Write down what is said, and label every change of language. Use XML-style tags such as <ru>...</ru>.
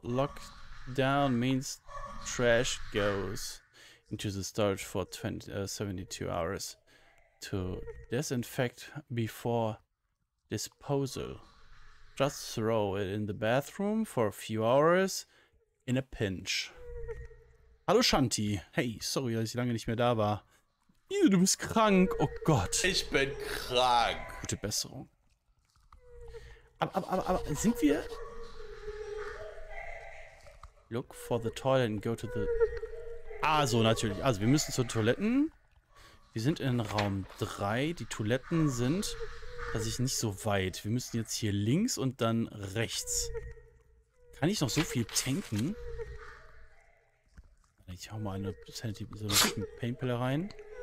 <en>Lockdown means trash goes into the storage for 72 hours to disinfect before disposal. Just throw it in the bathroom for a few hours in a pinch.</en> <de>Hallo Shanti. Hey, sorry, dass ich lange nicht mehr da war. Du bist krank. Oh Gott. Ich bin krank. Gute Besserung. Aber sind wir?</de> <en>Look for the toilet and go to the...</en> <de>Ah, so, natürlich. Also, wir müssen zur Toiletten. Wir sind in Raum 3. Die Toiletten sind, dass ich nicht so weit. Wir müssen jetzt hier links und dann rechts. Kann ich noch so viel tanken? Ich hau mal eine Painpille rein.</de>